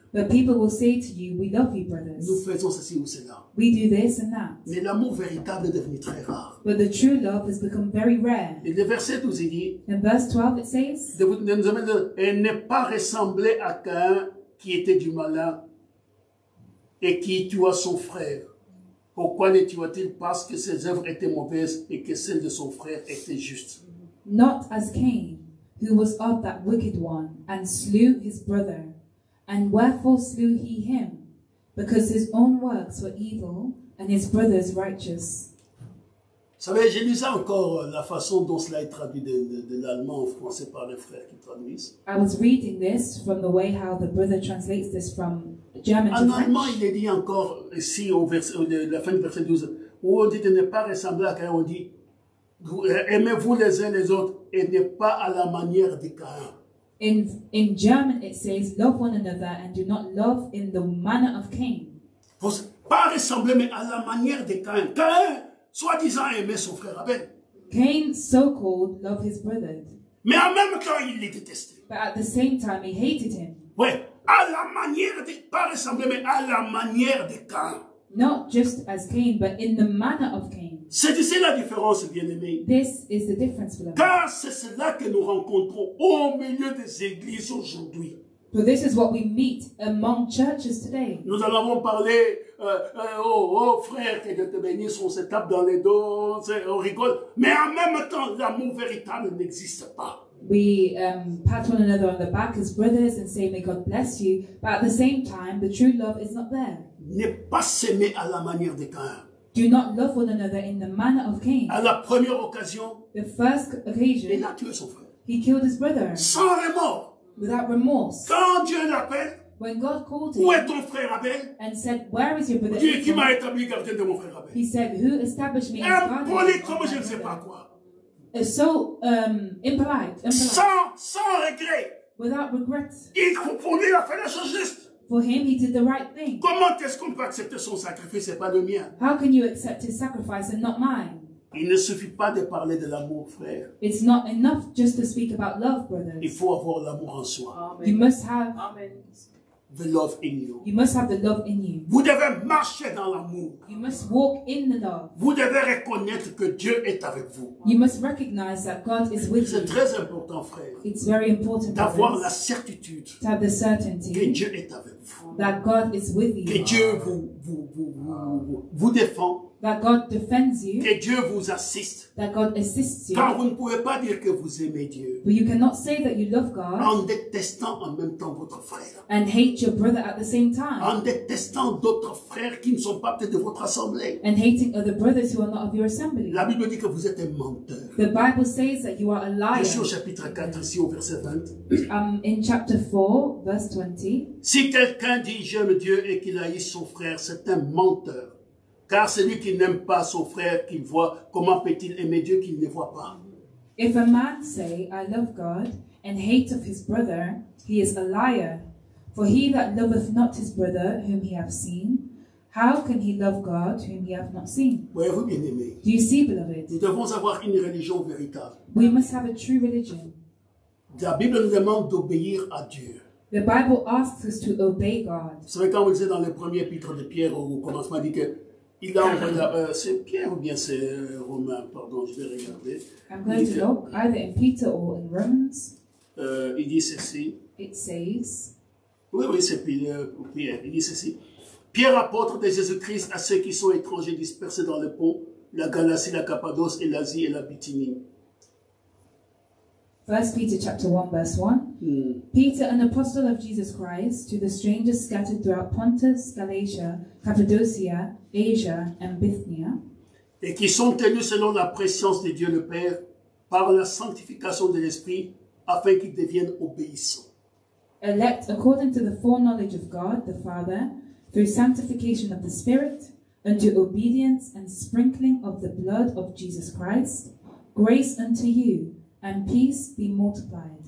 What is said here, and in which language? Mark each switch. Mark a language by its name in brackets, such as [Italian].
[English] But people will say to you, we love you, brothers. [French] Nous faisons ceci ou cela. [English] We do this and that. [French] Mais l'amour véritable est devenu très rare. [English] But the true love has become very rare. [French] Et le verset 12 dit, [English] in verse 12 it says, [French] elle n'est pas ressemblée à Caïn qui était du malin et qui tua son frère. Pourquoi ne tua-t-il? Parce que ses œuvres étaient mauvaises et que celles de son frère étaient justes. [English] Not as Cain, who was of that wicked one, and slew his brother. And wherefore slew he him? Because his own works were evil, and his brother's righteous. [French] Vous savez, je lisais encore la façon dont cela est traduit de l'allemand en français par les frères qui traduisent. [English] I was reading this from the way how the brother translates this from German to [French] French. En allemand, il est dit encore ici au verset, la fin du verset 12, où on dit de ne pas ressembler à Caïn. On dit, aimez-vous les uns les autres et ne pas à la manière de Caïn. [English] In German, it says, love one another and do not love in the manner of Cain. [French] Pas ressembler, mais à la manière de Cain. Cain, soi-disant, aimait son frère Abel. [English] Cain, so-called, loved his brother. [French] Mais en même temps, il les détestait. [English] But at the same time, he hated him. [French] Ouais, à la manière de, pas ressembler, mais à la manière de Cain. [English] Not just as Cain, but in the manner of Cain. [French] C'est ici la différence, bien-aimés. [English] This is the difference, beloved. [French] Car c'est cela que nous rencontrons au milieu des églises aujourd'hui. [English] So this is what we meet among churches today. [French] Nous en avons parlé, frère, que Dieu te bénisse, on se tape dans les dos, on rigole. Mais en même temps, l'amour véritable n'existe pas. [English] We pat one another on the back as brothers and say, may God bless you. But at the same time, the true love is not there. [French] Ne pas s'aimer à la manière de Caïn. [English] Do not love one another in the manner of Cain. [French] À la première occasion, [English] the first occasion, [French] il a tué son frère. [English] He killed his brother. [French] Sans remords. [English] Without remorse. [French] Quand Dieu l'appelle, [English] When God called [French] him, où est ton frère Abel? [English] And said, where is your brother? [French] Dieu, qui m'a établi gardien de mon frère Abel? [English] He said, who established me as guardian? [French] Je ne sais pas quoi. [English] So impolite. [French] Sans regret. [English] Without regret. [French] Il comprenait la fin des choses juste. [English] For him, he did the right thing. [French] Comment est-ce qu'on peut accepter son sacrifice et pas le mien? [English] How can you accept his sacrifice and not mine? [French] Il ne suffit pas de parler de l'amour, frère. [English] It's not enough just to speak about love, brothers. [French] Il faut avoir l'amour en soi. Amen. [English] You must have the love in you. You must have the love in you. [French] Vous devez marcher dans l'amour. [English] You must walk in the love. [French] Vous devez reconnaître que Dieu est avec vous. [English] You must recognize that God is with [French] you. C'est très important, frère. [English] It's very important [French] d'avoir la certitude [English] to have the certainty [French] que Dieu est avec vous. [English] That God is with you. [French] Que Dieu vous défend. [English] That God defends you. [French] Que Dieu vous assiste. [English] That God assists you. [French] Car vous ne pouvez pas dire que vous aimez Dieu. [English] But you cannot say that you love God. [French] En détestant en même temps votre frère. [English] And hate your brother at the same time. [French] En détestant d'autres frères qui ne sont pas peut-être de votre assemblée. [English] And hating other brothers who are not of your assembly. [French] La Bible dit que vous êtes un menteur. [English] The Bible says that you are a liar. [French] Je suis au chapitre 4 ici au verset 20. [English] In chapter 4, verse 20. [French] Si quelqu'un dit j'aime Dieu et qu'il haït son frère, c'est un menteur. Car celui qui n'aime pas son frère qu'il voit, comment peut-il aimer Dieu qu'il ne voit pas? [English] If a man say, I love God, and hate of his brother, he is a liar. For he that loveth not his brother, whom he hath seen, how can he love God, whom he hath not seen? [French] Voyez-vous, bien-aimés? [English] Do you see, beloved? [French] Nous devons avoir une religion véritable. [English] We must have a true religion. [French] La Bible nous demande d'obéir à Dieu. [English] The Bible asks us to obey God. [French] Vous savez, quand on disait dans le premier épître de Pierre, au commencement, dit que il a envoyé, c'est Pierre ou bien c'est Romain, pardon, je vais regarder. [English] I'm going to look either in Peter or in Romans. [French] Il dit ceci. [English] It says. [French] Oui, c'est Pierre. Il dit ceci. Pierre, apôtre de Jésus-Christ, à ceux qui sont étrangers dispersés dans le pont, la Galatie, la Cappadoce et l'Asie et la Bithynie. [English] 1 Peter chapter 1, verse 1. Peter, an apostle of Jesus Christ, to the strangers scattered throughout Pontus, Galatia, Cappadocia, Asia, and Bithynia. [French] Et qui sont tenus selon la préscience de Dieu le Père, par la sanctification de l'Esprit, afin qu'ils deviennent obéissants. [English] Elect according to the foreknowledge of God, the Father, through sanctification of the Spirit, unto obedience and sprinkling of the blood of Jesus Christ, grace unto you, and peace be multiplied.